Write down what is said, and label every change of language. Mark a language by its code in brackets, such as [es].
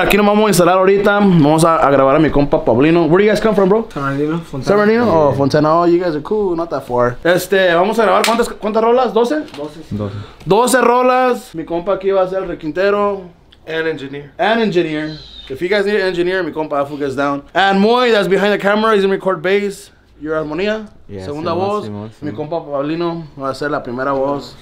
[es] Aquí nos vamos a instalar ahorita. Vamos a grabar a mi compa Pablino. [en] Where do you guys come from, bro? San Bernardino. Fontana. San Bernardino. Oh, Fontana. Oh, you guys are cool. Not that far. [es] Vamos a grabar. ¿Cuántas rolas? [en] ¿12? 12. [es] Sí. 12 rolas. Mi compa aquí va a ser el requintero. [en] An engineer. If you guys need an engineer, [es] mi compa [en] Afu gets down. And Moy, that's behind the camera, he's gonna record bass. Your Armonía, yeah, [es] segunda voz. Sí. Mi compa Paulino va a ser la primera voz.